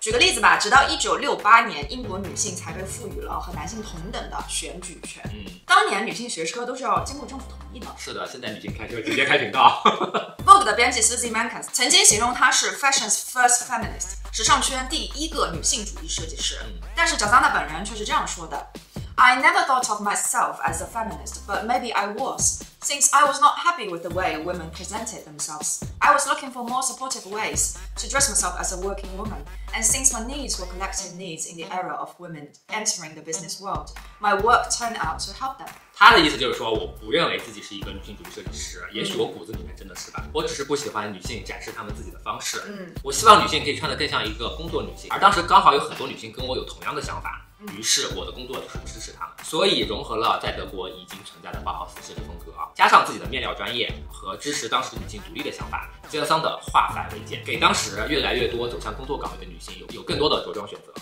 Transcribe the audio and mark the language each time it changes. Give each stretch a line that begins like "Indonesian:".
Chinese: 举个例子吧，直到1968年，英国女性才被赋予了和男性同等的选举权。当年女性学车都是要经过政府同意的。是的，现在女性开车直接开频道。 Vogue 的编辑 Susie Mankins 曾经形容她是
English: Fashion's first feminist，
Chinese: 时尚圈第一个女性主义设计师。但是 Jasanda 本人却是这样说的。
English: I never thought of myself as a feminist, but maybe I was, since I was not happy with the way women presented themselves. I was looking for more supportive ways to dress myself as a working woman, and since my needs were collective needs in the era of women entering the business world, my work turned out to help them.
Chinese: 他的意思就是说，我不认为自己是一个女性主义设计师，也许我骨子里面真的是吧，我只是不喜欢女性展示她们自己的方式。我希望女性可以穿得更像一个工作女性，而当时刚好有很多女性跟我有同样的想法。于是我的工作就是支持他们，所以融合了在德国已经存在的包豪斯设计风格，加上自己的面料专业和支持当时女性独立的想法，吉德桑的化繁为简，给当时越来越多走向工作岗位的女性 有更多的着装选择。